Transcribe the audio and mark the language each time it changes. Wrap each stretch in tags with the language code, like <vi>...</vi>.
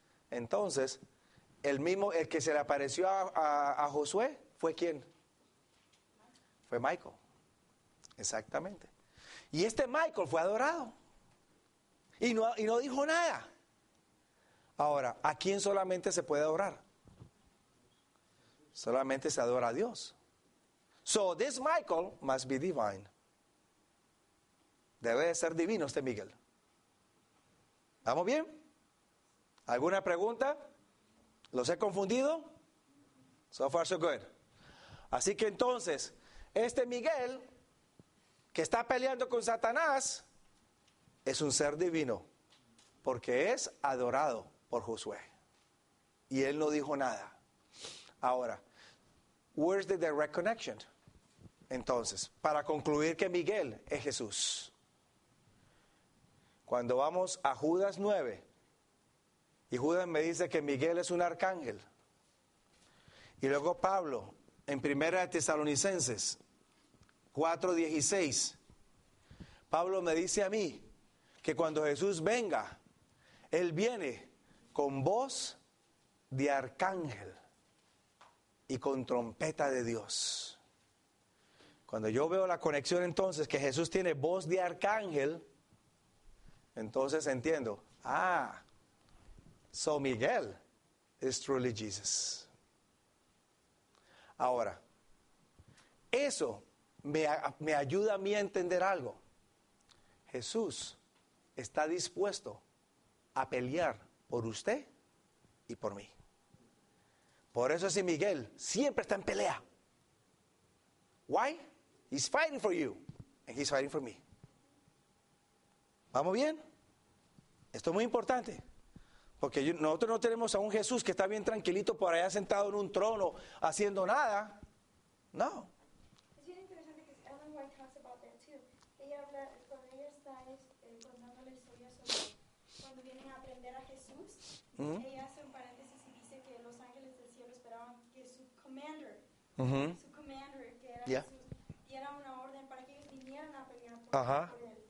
<es>Entonces, el que se le apareció a Josué, ¿fue quién? Fue Michael. Exactamente. Y este Michael fue adorado. Y no dijo nada. Ahora, ¿a quién solamente se puede adorar? Solamente se adora a Dios.</es> <en>So, this Michael must be divine.</en> <es>Debe de ser divino este Miguel. ¿Vamos bien? ¿Alguna pregunta? ¿Los he confundido?</es> <en>So far, so good.</en> <es>Así que entonces, este Miguel, que está peleando con Satanás, es un ser divino, porque es adorado por Josué. Y él no dijo nada.</es> <en>Ahora, where's the direct connection?</en> <es>Entonces, para concluir que Miguel es Jesús. Cuando vamos a Judas 9, y Judas me dice que Miguel es un arcángel, y luego Pablo, en Primera de Tesalonicenses 4:16, Pablo me dice a mí que cuando Jesús venga, Él viene con voz de arcángel y con trompeta de Dios. Cuando yo veo la conexión entonces que Jesús tiene voz de arcángel, entonces entiendo,</es> <en>so Miguel is truly Jesus.</en> <es>Ahora, eso me ayuda a mí a entender algo. Jesús está dispuesto a pelear por usted y por mí. Por eso es que Miguel siempre está en pelea.</es> <en>Why? He's fighting for you and he's fighting for me.</en> <es>¿Vamos bien? Esto es muy importante. Porque nosotros no tenemos a un Jesús que está bien tranquilito por allá sentado en un trono haciendo nada. No. Es bien interesante que Ellen White</es> <en>talks about that too.</en> <es>Ella habla, cuando ella está contando la historia sobre cuando vienen a aprender a Jesús, ella hace un paréntesis y dice que los ángeles del cielo esperaban que su commander, que era Jesús, diera una orden para que ellos vinieran a pelear por él.</es>